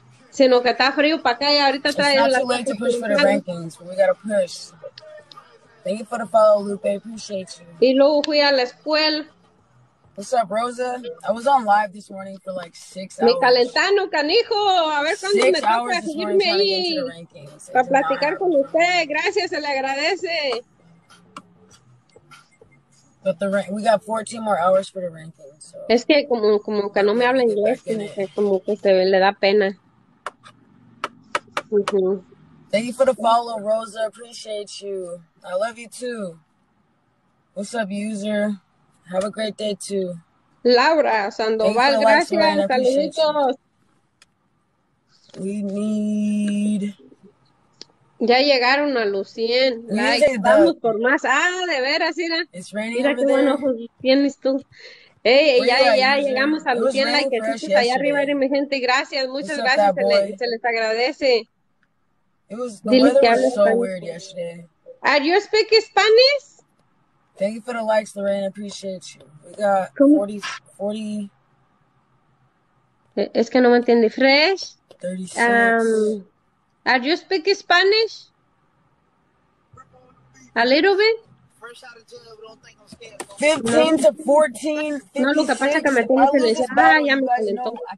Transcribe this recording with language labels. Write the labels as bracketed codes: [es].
[es] Sino que está frío para acá y ahorita trae. [en] It's not too late to push for the rankings, but we gotta push. Thank you for the follow, Lupe. Appreciate you. [es] Y luego fui a la escuela. [en] What's up, Rosa? I was on live this morning for like 6 hours. [es] Me calentando, canijo. A ver cuándo me toca seguirme ahí. Para platicar con usted. Gracias, se le agradece. [en] But the rank, we got 14 more hours for the rankings. So. [es] Es que como que no me habla inglés, como que se ve, le da pena. [en] Thank you for the follow, Rosa. Appreciate you. I love you too. What's up, user? Have a great day too. [es] Laura Sandoval, gracias. Saluditos. [en] We need. [es] Ya llegaron a los 100 likes, vamos por más. Ah, de veras, mira qué buen ojo tienes tú. Ya llegamos a los 100 likes, allá arriba, mi gente, gracias, muchas gracias, se les agradece. Dile que hablo español. [en] Are you speak Spanish? Thank you for the likes, Lorraine, I appreciate you. We got 40. [es] Es que no me entiende, fresh. 36. [en] Are you speak Spanish? A little bit? 15 to 14. 56. [es] No, lo que pasa es que me tiene que decir, ya me calentó.